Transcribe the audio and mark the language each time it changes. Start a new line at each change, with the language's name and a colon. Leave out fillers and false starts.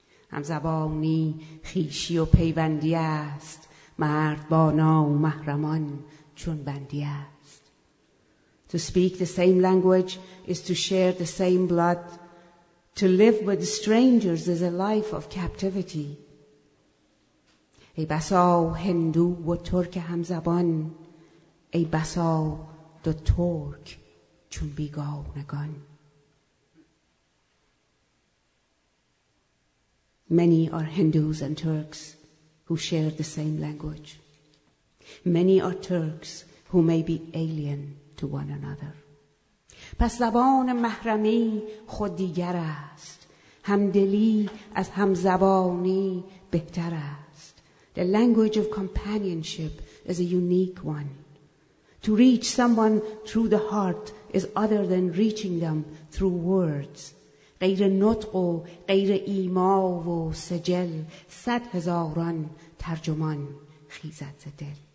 Persian: هم زبانی خیشی و پیوندی است مرد با نامحرمان چون بندی است.
English: To speak the same language is to share the same blood. To live with strangers is a life of captivity.
Persian: ای بسا هندو و ترک همزبان، ای بسا دو ترک چون بیگانگان.
English: Many are Hindus and Turks who share the same language. Many are Turks who may be alien to one another.
Persian: پس زبان محرمی خود دیگر است، همدلی از همزبانی بهتر است.
English: The language of companionship is a unique one. To reach someone through the heart is other than reaching them through words.
Persian: غیر نطق و غیر ایما و سجل صد هزاران ترجمان خیزد ز دل.